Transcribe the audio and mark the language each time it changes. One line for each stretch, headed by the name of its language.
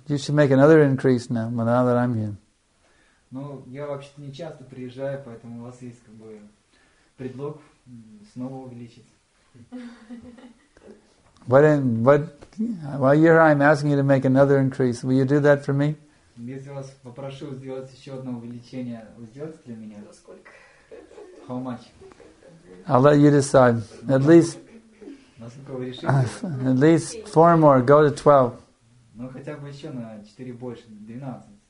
English: You should make another increase now that I'm here.
Russian: Но я вообще-то не часто приезжаю, поэтому у вас есть как бы предлог снова увеличить.
English: But while you're here, I'm asking you to make another increase. Will you do that for me?
Russian: Если вас попрошу сделать еще одно увеличение, вы сделаете для меня? За сколько?
English: How much? I'll let you decide. At least. At least four more. Go to 12.
Russian: Ну хотя бы еще на четыре больше, 12.